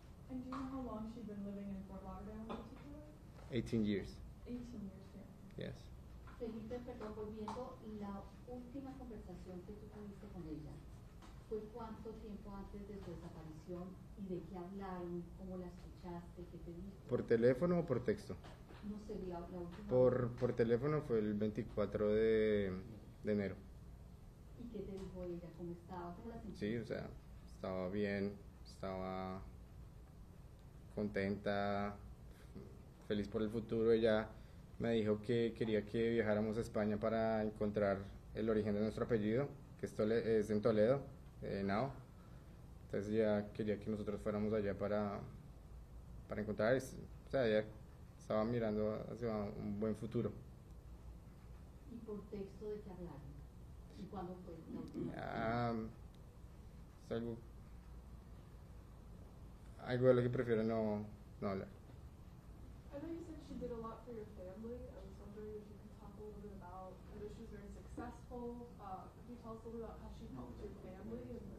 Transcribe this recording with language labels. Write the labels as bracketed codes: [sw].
[en] And do you know how long she'd been living in Fort Lauderdale in particular? 18 years. 18 years, yeah. Yes. [es] Felipe, perdón, volviendo, la última conversación que tú tuviste con ella, ¿fue cuánto tiempo antes de su desaparición y de qué hablaron, cómo la escuchaste, qué te dijo? ¿Por teléfono o por texto? No sé, la última. Por teléfono fue el 24 de enero. ¿Y qué te dijo ella? ¿Cómo estaba? ¿Cómo la sentiste? Sí, o sea, estaba bien, estaba contenta, feliz por el futuro. Ella me dijo que quería que viajáramos a España para encontrar el origen de nuestro apellido, que es en Toledo, Nao. Entonces ella quería que nosotros fuéramos allá para encontrar, o sea, ella estaba mirando hacia un buen futuro. ¿Y por texto de qué hablaron? ¿Y cuándo fue? Es algo de lo que prefiero no hablar. [en] I know you said she did a lot for your family. I was wondering if you could talk a little bit about, I know she was very successful. Could you tell us a little about how she helped your family?